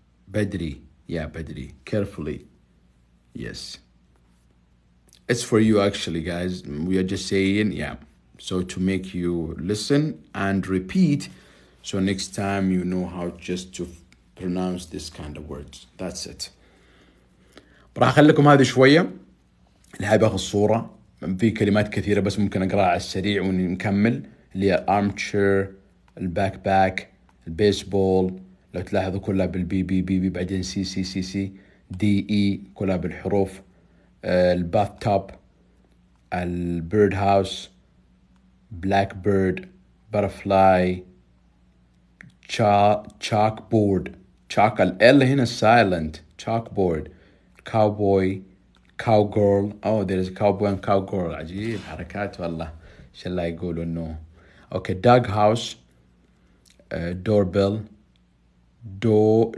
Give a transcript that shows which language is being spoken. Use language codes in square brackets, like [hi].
[en] Bedri. Yeah, Bedri. Carefully. Yes. It's for you, actually, guys. We are just saying, yeah. So to make you listen and repeat, so next time you know how just to pronounce this kind of words. That's it. [ar] راح أخليكم هذه شوية اللي هاي بأخذ صورة في كلمات كثيرة بس ممكن أقرأها على السريع ونكمل اللي هي armchair, backpack, baseball. لو تلاحظوا كلها بالبي بي بي بي بعدين سي سي سي سي دي إي كلها بالحروف. [en] الباثتوب, البيرد house, black bird, barfly, chalk board. Chalk, L in a silent, chalkboard, cowboy, cowgirl. Oh, there is a cowboy and cowgirl. [ar] Ajeeb, harakat wallah. [en] Shall I go to no? Okay, dog house, doorbell, dragonfly,